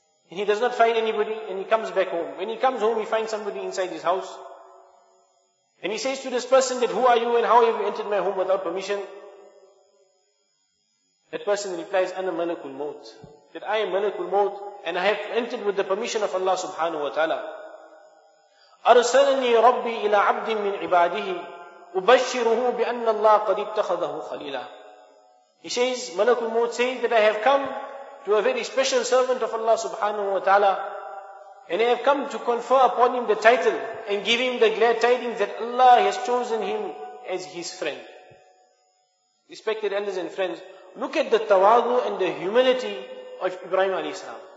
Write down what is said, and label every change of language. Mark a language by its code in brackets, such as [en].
[en] And he does not find anybody and he comes back home. When he comes home, he finds somebody inside his house. And he says to this person that, "Who are you and how have you entered my home without permission?" That person replies, [ar] "Ana malakul maut." [en] That I am malakul maut and I have entered with the permission of Allah subhanahu wa ta'ala. [ar] أرسلني ربي إلى عبد من عباده أبشره بأن الله قد اتخذه خليلا. [en] He says, Malakul Maut says that I have come to a very special servant of Allah subhanahu wa ta'ala and I have come to confer upon him the title and give him the glad tidings that Allah has chosen him as his friend. Respected elders and friends, look at the tawadu and the humility of Ibrahim alayhi salam.